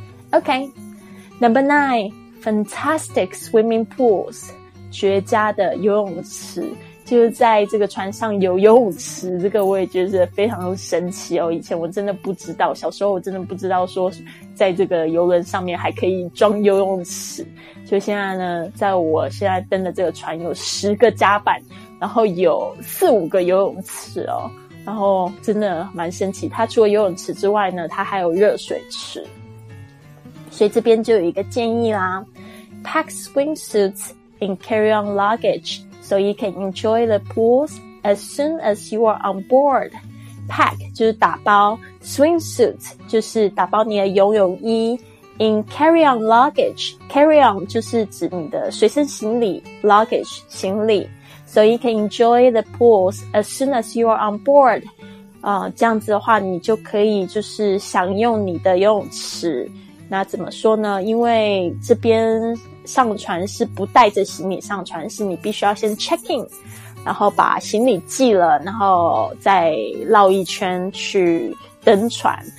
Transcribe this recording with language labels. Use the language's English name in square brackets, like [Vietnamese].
[Chinese] OK Number 9 Fantastic swimming pools， 绝佳的游泳池，就是在这个船上有游泳池，这个我也觉得非常神奇哦。以前我真的不知道，小时候我真的不知道说在这个游轮上面还可以装游泳池，所以现在呢在我现在登的这个船有10个甲板，然后有4-5个游泳池哦，然后真的蛮神奇。它除了游泳池之外呢，它还有热水池，所以这边就有一个建议啦， [English] Pack swimsuits in carry-on luggage so you can enjoy the pools as soon as you are on board。 Pack [Chinese] 就是打包， [English] swimsuit [Chinese] 就是打包你的游泳衣， [English] in carry-on luggage， carry-on [Chinese] 就是指你的随身行李， [English] luggage [Chinese] 行李， [English] So you can enjoy the pools as soon as you are on board. [Chinese] 这样子的话你就可以就是享用你的游泳池。那怎么说呢？因为这边上船是不带着行李上船，是你必须要先 check in， 然后把行李寄了，然后再绕一圈去登船。